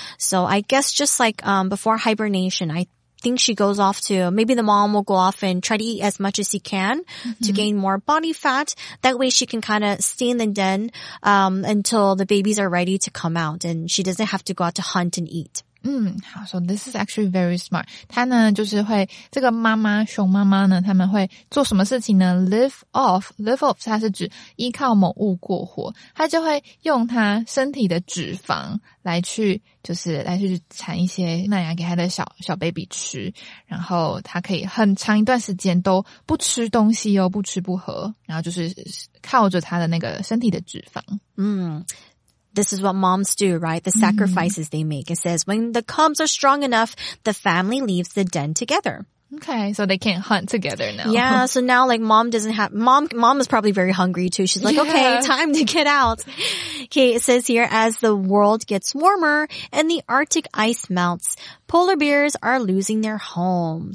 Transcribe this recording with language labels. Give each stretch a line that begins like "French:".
English: So I guess just like before hibernation, I think she goes off to, maybe the mom will go off and try to eat as much as she can mm-hmm. to gain more body fat. That way she can kind of stay in the den until the babies are ready to come out and she doesn't have to go out to hunt and eat. 嗯，好 ，so this is actually very smart.
Chinese: 他呢，就是会这个妈妈熊妈妈呢，他们会做什么事情呢 ？Live off， 它是指依靠某物过活，他就会用他身体的脂肪来去，就是来去产一些奶呀给他的小 baby 吃，然后他可以很长一段时间都不吃东西哦，不吃不喝，然后就是靠着他的那个身体的脂肪，
English: 嗯。This is what moms do, right? The sacrifices mm-hmm. they make. It says, when the cubs are strong enough, the family leaves the den together. Okay, so they can't hunt together now. Yeah, so now like mom doesn't have, mom is probably very hungry too. She's like, yeah. Okay, time to get out. Okay, it says here, as the world gets warmer and the Arctic ice melts, polar bears are losing their home.